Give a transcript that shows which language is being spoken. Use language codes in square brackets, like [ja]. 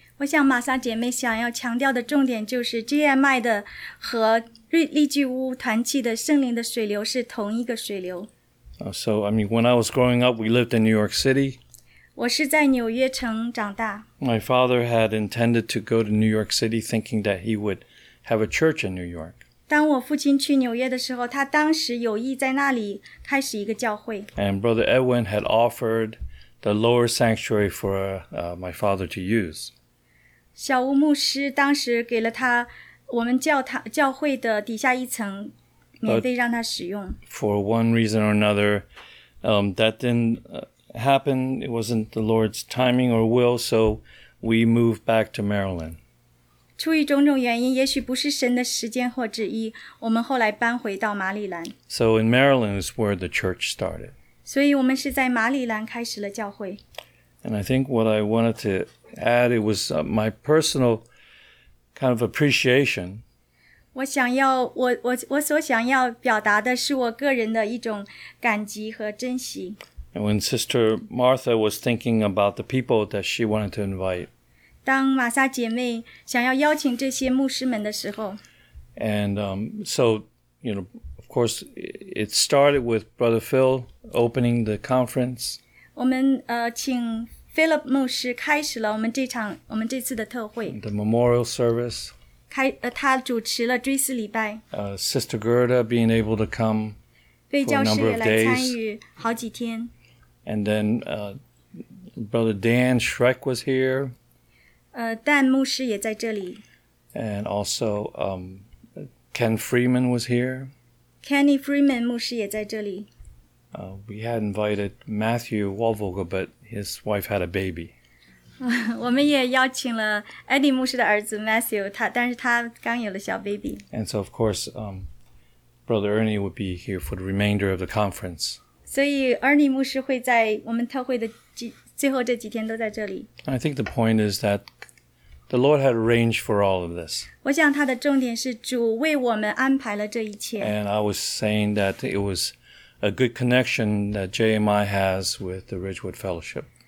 [zh] 我想玛莎姐妹想要强调的重点就是 JMI 的和丽居屋团契的圣灵的水流是同一个水流。 [en] So, I mean, when I was growing up, we lived in New York City. [zh] 我是在纽约城长大。 [en] My father had intended to go to New York City thinking that he would have a church in New York. [zh] 当我父亲去纽约的时候，他当时有意在那里开始一个教会。 [en] And Brother Edwin had offered the lower sanctuary for my father to use. [zh] 小吴牧师当时给了他我们教会的底下一层免费让他使用。 [en] But for one reason or another, that didn't happen. It wasn't the Lord's timing or will, so we moved back to Maryland. [zh] 出于种种原因，也许不是神的时间或旨意，我们后来搬回到马里兰。 [en] So in Maryland is where the church started. [zh] 所以我们是在马里兰开始了教会。 [en] And I think what I wanted to add, it was my personal kind of appreciation. [zh] 我所想要表达的是我个人的一种感激和珍惜。 [en] And when Sister Martha was thinking about the people that she wanted to invite, [zh] 当玛莎姐妹想要邀请这些牧师们的时候 [en] ，and so you know, of course, it started with Brother Phil opening the conference. [zh] 我们请 Philip 牧师开始了我们这次的特会。 [en] The memorial service. [zh] 他主持了追思礼拜。 [en] Sister Gerda being able to come for a number of days. [zh] 被教师也来参与好几天。 [en] And then Brother Dan Schreck was here. [zh] Dan 牧师也在这里。 [en] And also, Ken Freeman was here. [zh] Kenny Freeman 牧师也在这里。 [en] We had invited Matthew Walvogel, but his wife had a baby. [zh] 我们也邀请了 Eddie 牧师的儿子 Matthew, 但是他刚有了小 baby. [en] And so, of course, Brother Ernie would be here for the remainder of the conference. [zh] 所以 Ernie 牧师会在我们特会的最后这几天都在这里。 [en] I think the point is that the Lord had arranged for all of this. [zh] 我想他的重点是主为我们安排了这一切。 [en] And I was saying that it was a good connection that JMI has with the Ridgewood Fellowship.